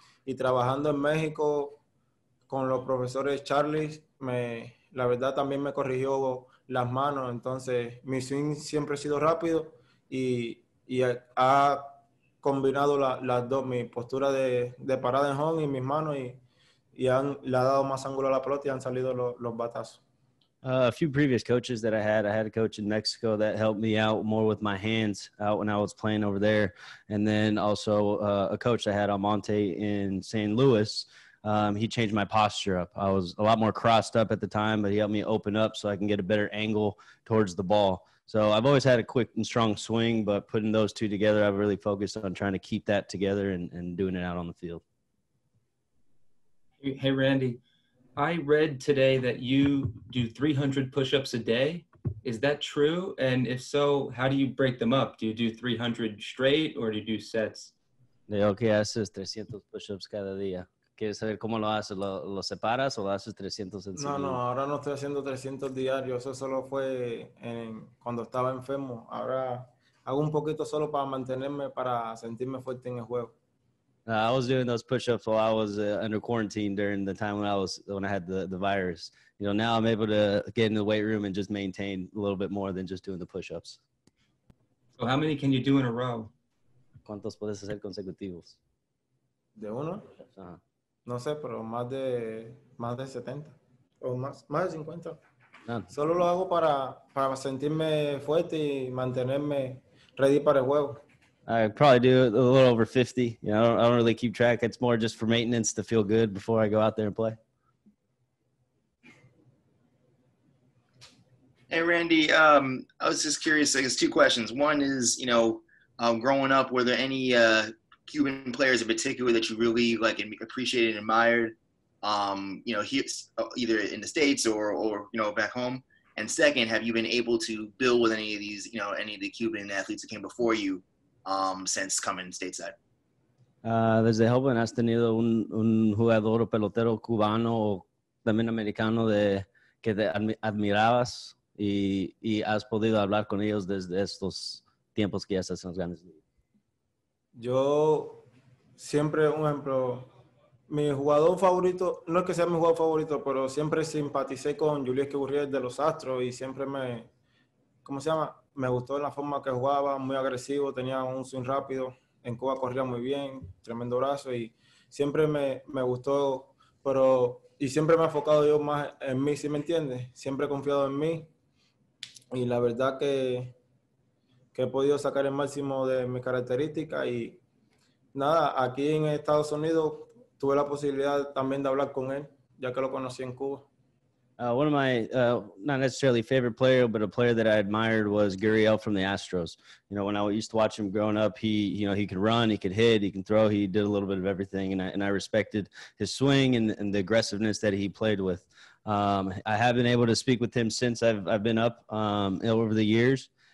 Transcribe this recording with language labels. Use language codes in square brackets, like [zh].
[es] Y trabajando en México con los profesores Charlie, la verdad también me corrigió las manos. Entonces, mi swing siempre ha sido rápido y ha combinado las dos, mi postura de parada en home y mis manos, y han le ha dado más ángulo a la pelota y han salido los batazos. [en] A few previous coaches that I had a coach in Mexico that helped me out more with my hands out when I was playing over there. And then also a coach I had, Almonte, in St. Louis. He changed my posture up. I was a lot more crossed up at the time, but he helped me open up so I can get a better angle towards the ball. So I've always had a quick and strong swing, but putting those two together, I've really focused on trying to keep that together and doing it out on the field. Hey, Randy. I read today that you do 300 push-ups a day. Is that true? And if so, how do you break them up? Do you do 300 straight or do you do sets? [es] Yo que haces 300 push-ups cada día. ¿Quieres saber cómo lo haces? ¿Lo separas o lo haces 300 en seguida? No, ahora no estoy haciendo 300 diarios. Eso solo fue cuando estaba enfermo. Ahora hago un poquito solo para mantenerme, para sentirme fuerte en el juego. [en] I was doing those push-ups while I was under quarantine during the time when I had the virus. You know, now I'm able to get in the weight room and just maintain a little bit more than just doing the push-ups. So how many can you do in a row? [es] ¿Cuántos puedes hacer consecutivos? ¿De uno? No sé, pero más de 70. O más de 50. [en] None. [es] Solo lo hago para sentirme fuerte y mantenerme ready para el juego. [en] I probably do a little over 50. You know, I don't really keep track. It's more just for maintenance to feel good before I go out there and play. Hey, Randy, I was just curious. I guess two questions. One is, you know, growing up, were there any Cuban players in particular that you really like and appreciated and admired, you know, either in the States or, you know, back home? And second, have you been able to build with any of these, you know, any of the Cuban athletes that came before you? Since coming stateside. [es] Desde joven has tenido un jugador o pelotero cubano o también americano que te admirabas y has podido hablar con ellos desde estos tiempos que ya estás en las grandes ligas. Yo siempre, un ejemplo, mi jugador favorito, no es que sea mi jugador favorito, pero siempre simpaticé con Julius Gurriel de los Astros y siempre me, ¿cómo se llama? Me gustó la forma que jugaba, muy agresivo, tenía un swing rápido. En Cuba corría muy bien, tremendo brazo y siempre me gustó, pero y siempre me he enfocado yo más en mí, ¿sí me entiendes? Siempre he confiado en mí y la verdad que he podido sacar el máximo de mis características y nada, aquí en Estados Unidos tuve la posibilidad también de hablar con él, ya que lo conocí en Cuba. [en] One of my, not necessarily favorite player, but a player that I admired was Gurriel from the Astros. You know, when I used to watch him growing up, he, you know, he could run, he could hit, he can throw, he did a little bit of everything. And I respected his swing and the aggressiveness that he played with. I have been able to speak with him since I've been up over the years.